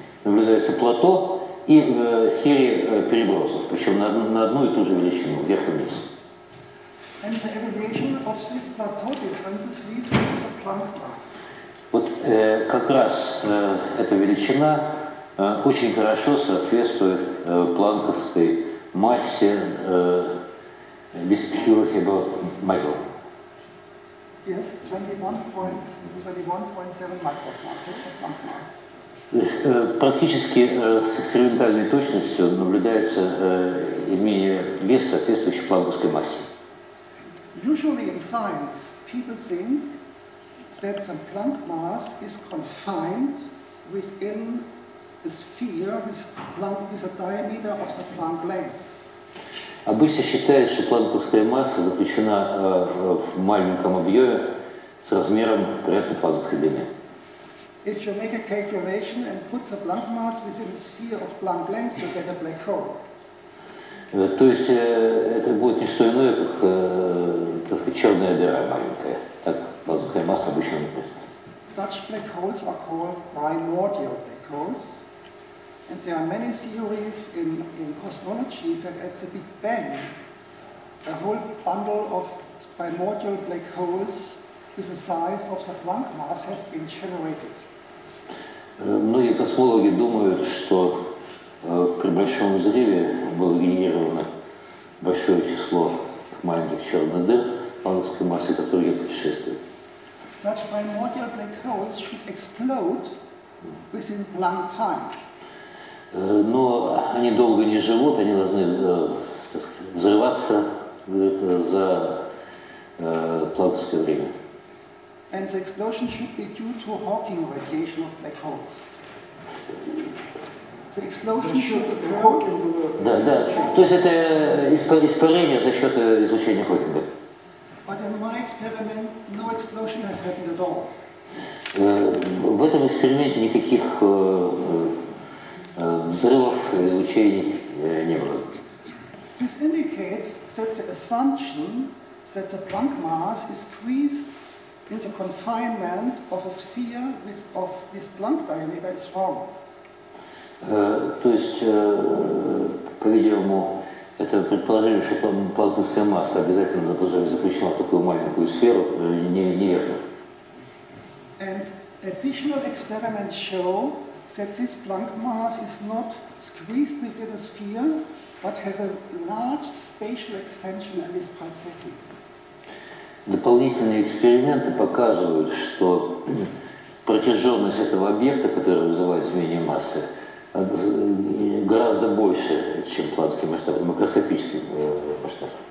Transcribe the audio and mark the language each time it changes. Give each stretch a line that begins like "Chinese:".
Russian: Наблюдается плато и серия перебросов, причем на одну и ту же величину, вверх и вниз.
English: And the evaluation of this plateau differences leads to the Planck mass.
Russian: Вот как раз эта величина очень хорошо соответствует планковской массе дискутируемого майкрон.
English: Yes, 21.7 micrometers.
Russian: То есть практически с экспериментальной точностью наблюдается изменение веса, соответствующей планковской массе.
English: Usually in science, people think that the Planck mass is confined within a sphere with a diameter of the Planck length.
Russian: Обычно считается, что планковская масса заключена в маленьком объеме с размером порядка планковской длины.
English: If you make a calculation and put the Planck mass within a sphere of Planck length, you get a black hole.
Russian: То есть это будет не что иное, как так сказать, черная дыра маленькая. Так планковская масса обычно называется.
English: Such black holes are called primordial black holes. And there are many theories in cosmology that at the Big Bang, a whole bundle of primordial black holes with the size of the Planck mass have been generated.
Russian: Многие космологи думают, что при большом взрыве было генерировано большое число маленьких черных дыр планковской массы, которые предшествуют.
English: Such primordial black holes should explode within Planck time.
Russian: Но они долго не живут, они должны, так сказать, взрываться, говорит, за планковское время.
English: And the explosion should be due to Hawking radiation of black holes. The explosion should be Hawking.
Russian: Да. То есть это испарение за счет излучения Хокинга.
English: But in my experiment, no explosion has happened at all.
Russian: В этом эксперименте никаких взрывов, излучений не было.
English: This indicates that the assumption that the Planck mass is squeezed in the confinement of a sphere with of this Planck diameter is wrong.
Russian: То есть, по-видимому, это предположение, что там планковская масса обязательно должна быть заключена в такую маленькую сферу, неверно.
English: And additional experiments show that this Planck mass is not squeezed within a sphere, but has a large spatial extension and is pulsating.
Russian: Дополнительные эксперименты показывают, что протяженность этого объекта, который вызывает изменение массы, гораздо больше, чем планский масштаб, макроскопический масштаб.